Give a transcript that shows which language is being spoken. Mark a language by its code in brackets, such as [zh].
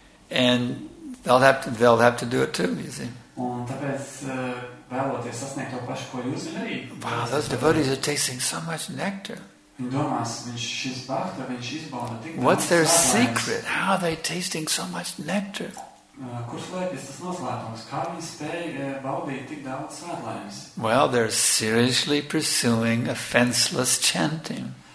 [en] And they'll have to do it too, you see. [lv] Un tāpēc vēloties sasniegt to pašu, ko jūs arī. [en] Wow, those devotees are tasting so much nectar. What's their secret? How are they tasting so much nectar? Well, they're seriously pursuing a fenceless chanting.